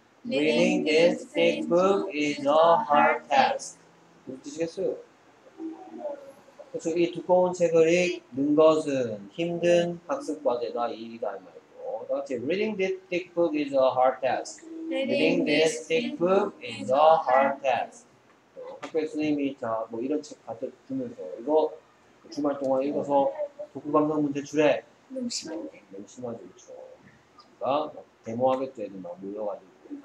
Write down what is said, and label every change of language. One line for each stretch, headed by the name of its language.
English: Reading this thick book is a hard task.
Korean: 무슨 뜻이겠어요? 그래서 이 두꺼운 책을 읽는 것은 힘든 학습 과제다 이다 이 말이고. 다시
English: Reading this thick book is a hard task. Reading this thick book is a hard task.
Korean: 학교 선생님이 자 뭐 이런 책 가득 주면서 이거 주말 동안 읽어서 독후 감성 문제 줄에 너무 심한데. 너무 심하죠, 그렇죠. 그러니까 데모하겠죠, 애들 막 모여가지고.